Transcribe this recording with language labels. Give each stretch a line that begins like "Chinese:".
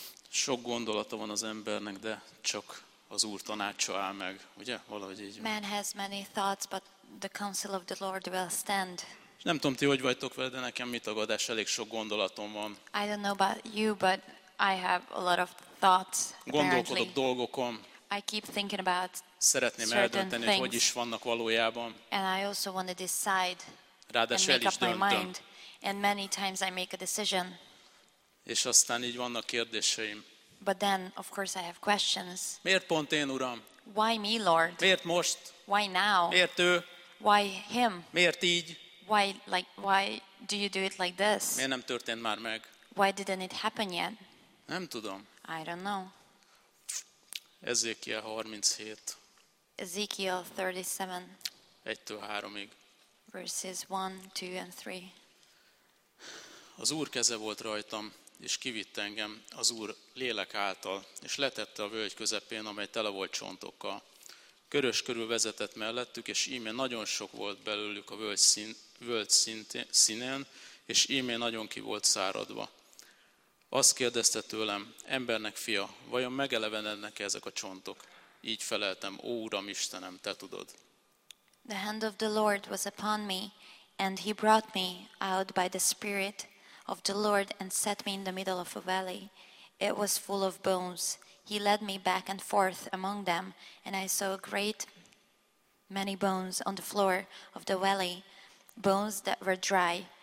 Hungarian: Sok gondolata van az embernek, de csak az Úr tanácsa áll meg, ugye? Valahogy így.
English: Man has many thoughts, but the counsel of the Lord will stand.
Hungarian: Nem tudom, ti hogy vagytok vele, de nekem mi tagadás, elég sok gondolatom van.
English: I don't know about you, but I have a lot of thoughts.
Hungarian: Gondolkodok dolgokon.
English: I keep thinking about
Hungarian: szeretném eldönteni, hogy hogy is vannak valójában.
English: And I also want to decide.
Hungarian: Ráadásul el is döntöm.
English: Mind, and many times I make a decision.
Hungarian: És aztán így vannak kérdéseim.
English: But then, of course, I have questions.
Hungarian: Miért pont én, Uram?
English: Why me, Lord?
Hungarian: Miért most?
English: Why now?
Hungarian: Miért ő?
English: Why him?
Hungarian: Miért így?
English: Why do you do it like this?
Hungarian: Miért nem történt már meg?
English: Why didn't it happen yet?
Hungarian: Nem tudom.
English: I don't know.
Hungarian: Ezékiel 37.
English: Ezekiel 37.
Hungarian: 1-től 3-ig.
English: Verses 1, 2 and 3.
Hungarian: Az Úr keze volt rajtam, és kivitt engem az Úr lélek által, és letette a völgy közepén, amely tele volt csontokkal. Körös körül vezetett mellettük, és íme nagyon sok volt belőlük a völgy színén, és íme nagyon ki volt száradva. Azt kérdezte tőlem, embernek fia, vajon megelevenednek-e ezek a csontok? Így feleltem, ó Uram Istenem, te tudod.
English: The hand of the Lord was upon me, and he brought me out by the Spirit of the Lord and set me in the middle of a valley. It was full of bones. He led me back and forth among them, and I saw a great many bones on the floor of the valley, bones that were dry.